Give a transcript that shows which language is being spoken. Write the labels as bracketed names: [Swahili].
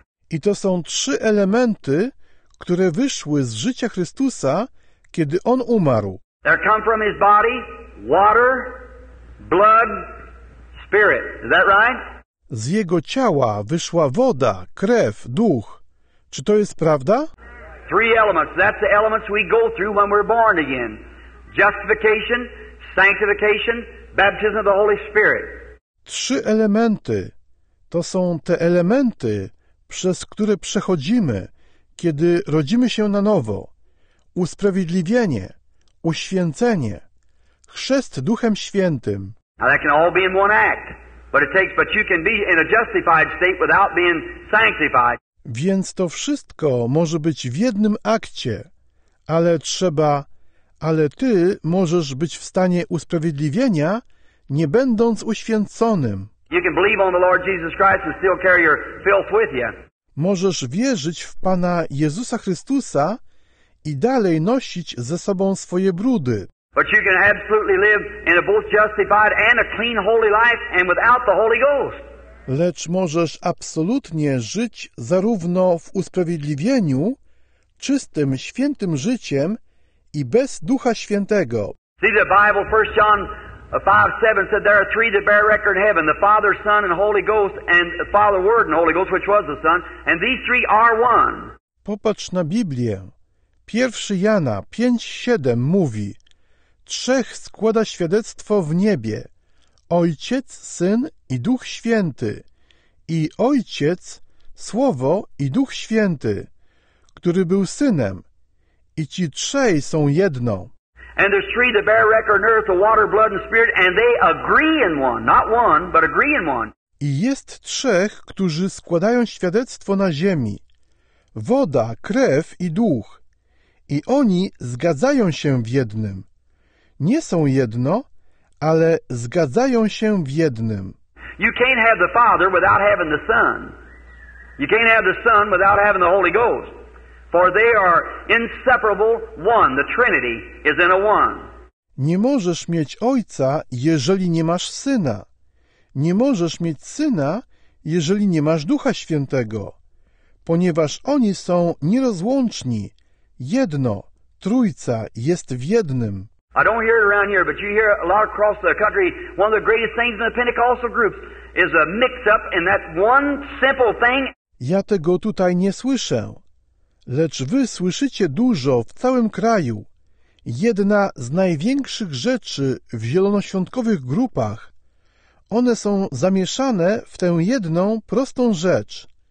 [Polish] I to są trzy elementy, które wyszły z życia Chrystusa, kiedy On umarł. [English] They come from His body, water, blood, spirit. Is that right? [Polish] Z Jego ciała wyszła woda, krew, duch. Czy to jest prawda? [English] Three elements. That's the elements we go through when we're born again. Justification, sanctification, baptism of the Holy Spirit. [Polish] Trzy elementy. To są te elementy, przez które przechodzimy, kiedy rodzimy się na nowo. Usprawiedliwienie, uświęcenie, chrzest Duchem Świętym. [English] Now that can all be in one act, but it takes. But you can be in a justified state without being sanctified. [Polish] Więc to wszystko może być w jednym akcie, ale trzeba. Ale ty możesz być w stanie usprawiedliwienia, nie będąc uświęconym. [English] You can believe on the Lord Jesus Christ and still carry your filth with you. [Polish] Możesz wierzyć w Pana Jezusa Chrystusa i dalej nosić ze sobą swoje brudy. [English] But you can absolutely live in a both justified and a clean holy life and without the Holy Ghost. [Polish] Lecz możesz absolutnie żyć zarówno w usprawiedliwieniu, czystym, świętym życiem i bez Ducha Świętego. [English] See the Bible, 1 John 5:7 said there are three that bear record in heaven, the Father, Son and Holy Ghost, and the Father, Word and Holy Ghost, which was the Son, and these three are one. [Polish] Popatrz na Biblię. 1 Jana 5:7 mówi: Trzech składa świadectwo w niebie: Ojciec, Syn i Duch Święty. I Ojciec, Słowo i Duch Święty, który był Synem. I ci trzej są jedno. [English] And there's three that bear record on earth, the water, blood and spirit, and they agree in one, not one, but agree in one. [Polish] I jest trzech, którzy składają świadectwo na ziemi: woda, krew i duch. I oni zgadzają się w jednym. Nie są jedno, ale zgadzają się w jednym. [English] You can't have the Father without having the Son. You can't have the Son without having the Holy Ghost. For they are inseparable one. The Trinity is in a one. [Polish] Nie możesz mieć Ojca, jeżeli nie masz Syna. Nie możesz mieć Syna, jeżeli nie masz Ducha Świętego. Ponieważ oni są nierozłączni. Jedno, Trójca jest w jednym. [English] I don't hear it around here, but you hear a lot across the country. One of the greatest things in the Pentecostal groups is a mix up in that one simple thing. [Polish] Ja tego tutaj nie słyszę. Lecz wy słyszycie dużo w całym kraju. Jedna z największych rzeczy w zielonoświątkowych grupach. One są zamieszane w tę jedną prostą rzecz.